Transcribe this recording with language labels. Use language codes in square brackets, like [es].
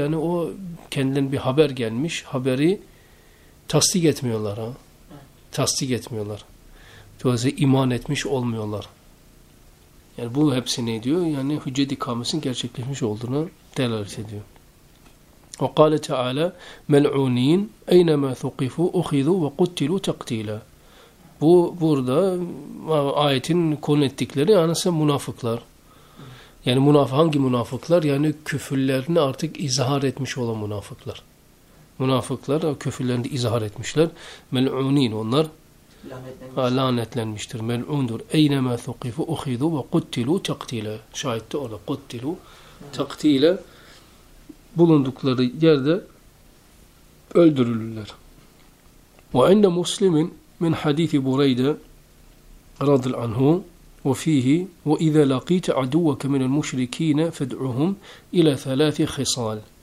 [tr] Yani o kendilerine bir haber gelmiş, haberi tasdik etmiyorlar. Tasdik etmiyorlar. Dolayısıyla iman etmiş olmuyorlar. Yani bu hepsi ne diyor? Yani hüccet ikamesinin gerçekleşmiş olduğunu delalet ediyor. [ar] وقال تعالى ملعونين اينما ثقفوا اخذوا وقتلوا تقتيلا. [tr] Bu burada ayetin konu ettikleri anasın münafıklar. Yani münafık, hangi münafıklar? Yani küfürlerini artık izhar etmiş olan münafıklar. Münafıklar küfürlerini izhar etmişler. Melunin onlar lanetlenmiştir. Melundur [ar] اينما ثقفوا اخذوا وقتلوا تقتيلا. [tr] Şahitte orada [ar] قتلوا تقتيلا [tr] bulundukları yerde öldürülürler. [ar] وَاَنَّ مُسْلِمٍ مِنْ حَدِيثِ بُرَيْدَ رَضِ الْعَنْهُ وَفِيهِ وَاِذَا لَقِيْتَ عَدُوَّكَ مِنَ الْمُشْرِك۪ينَ فَدْعُهُمْ اِلَى ثَلَاثِ خِصَالٍ.